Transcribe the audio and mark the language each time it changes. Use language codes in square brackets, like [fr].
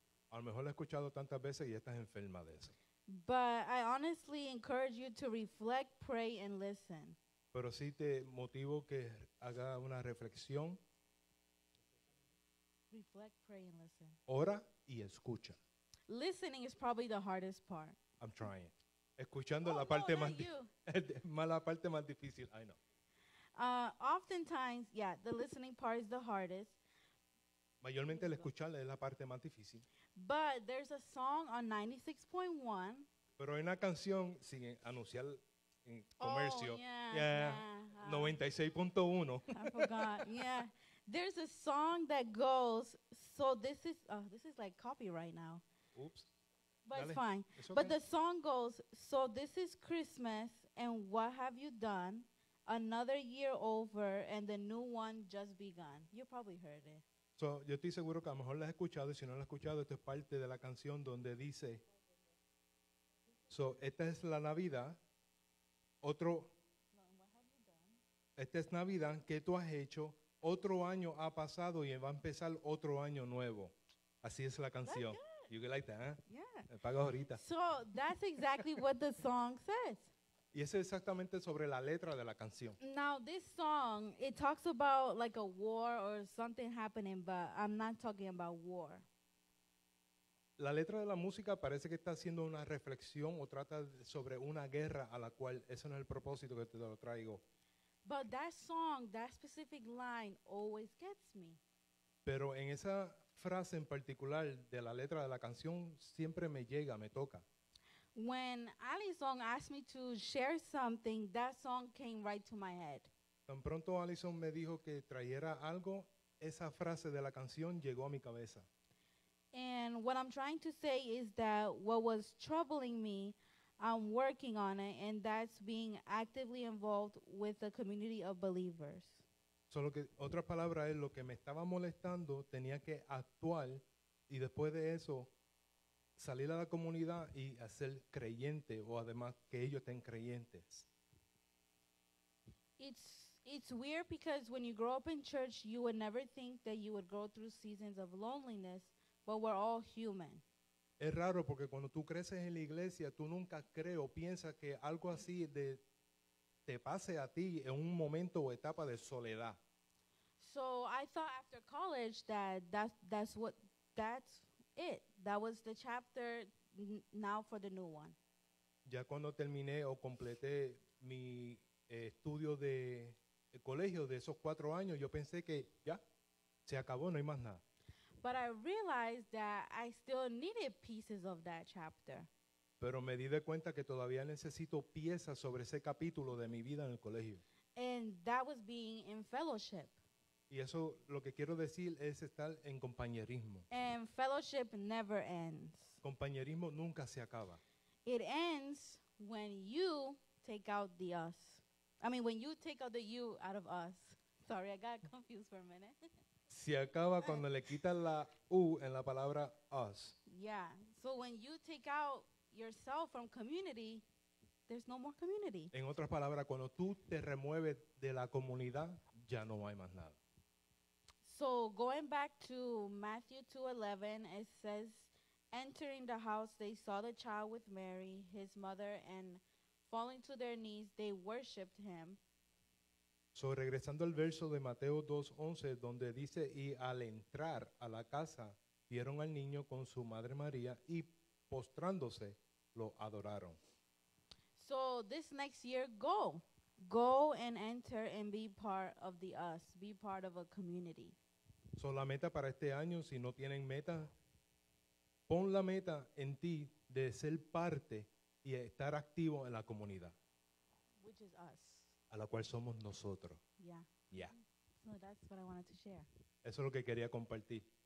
[es] A lo mejor lo he escuchado tantas veces y estás enferma de eso. [en] But I honestly encourage you to reflect, pray, and listen. [es] Pero sí te motivo que haga una reflexión. [en] Reflect, pray, and listen. [es] Ora y escucha. [en] Listening is probably the hardest part. I'm trying. [es] Escuchando la parte más difícil. La parte más difícil, [en] I know. Oftentimes, yeah, the listening part is the hardest. [es] Mayormente el escuchar es la parte más difícil. [en] But there's a song on 96.1. [es] Pero hay una canción, sin anunciar en comercio. [en] Oh, yeah. 96.1. I forgot. Yeah. There's a song that goes, so this is like copyright now. Oops. But it's fine. It's okay. But the song goes, so this is Christmas and what have you done? Another year over and the new one just begun. You probably heard it. [es] So, yo estoy seguro que a lo mejor la has escuchado, y si no la has escuchado, esto es parte de la canción donde dice, so, esta es la Navidad, otro, esta es Navidad, ¿qué tú has hecho? Otro año ha pasado y va a empezar otro año nuevo. Así es la canción. [en] You like that, huh? Yeah. [es] Me pagas ahorita. [en] So, that's exactly what the song says. [es] Y es exactamente sobre la letra de la canción. [en] Now, this song, it talks about like a war or something happening, but I'm not talking about war. [es] La letra de la música parece que está haciendo una reflexión o trata sobre una guerra a la cual, ese no es el propósito que te lo traigo. [en] But that song, that specific line always gets me. [es] Pero en esa frase en particular de la letra de la canción siempre me llega, me toca. [en] When Allison asked me to share something, that song came right to my head. [es] Tan pronto Allison me dijo que trajera algo, esa frase de la canción llegó a mi cabeza. [en] And what I'm trying to say is that what was troubling me, I'm working on it, and that's being actively involved with the community of believers. [es] Solo que otra palabra es lo que me estaba molestando, tenía que actuar, y después de eso salir a la comunidad y hacer creyente o además que ellos estén creyentes. [en] It's weird because when you grow up in church, you would never think that you would go through seasons of loneliness, but we're all human. [es] Es raro porque cuando tú creces en la iglesia, tú nunca crees o piensas que algo así de te pase a ti en un momento o etapa de soledad. [en] So I thought after college that's it. That was the chapter now for the new one. [es] Ya cuando terminé o completé mi estudio de colegio de esos 4 años, yo pensé que ya, se acabó, no hay más nada. [en] But I realized that I still needed pieces of that chapter. [es] Pero me di de cuenta que todavía necesito piezas sobre ese capítulo de mi vida en el colegio. [en] And that was being in fellowship. [es] Y eso lo que quiero decir es estar en compañerismo. [en] And fellowship never ends. [es] Compañerismo nunca se acaba. [en] It ends when you take out the us. I mean, when you take out the you out of us. Sorry, I got confused for a minute. [es] Se acaba cuando le quitas la U en la palabra us. [en] Yeah. So when you take out yourself from community, there's no more community. [es] En otras palabras, cuando tú te remueves de la comunidad, ya no hay más nada. [en] So going back to Matthew 2:11, it says, entering the house, they saw the child with Mary, his mother, and falling to their knees, they worshipped him. [es] So regresando al verso de Mateo 2:11, donde dice, y al entrar a la casa, vieron al niño con su madre María, y postrándose, lo adoraron. [en] So this next year, go. Go and enter and be part of the us, be part of a community. [es] So la meta para este año, si no tienen meta, pon la meta en ti de ser parte y estar activo en la comunidad. [en] Which is us. [es] A la cual somos nosotros. [en] Yeah. Yeah. So that's what I wanted to share. [es] Eso es lo que quería compartir.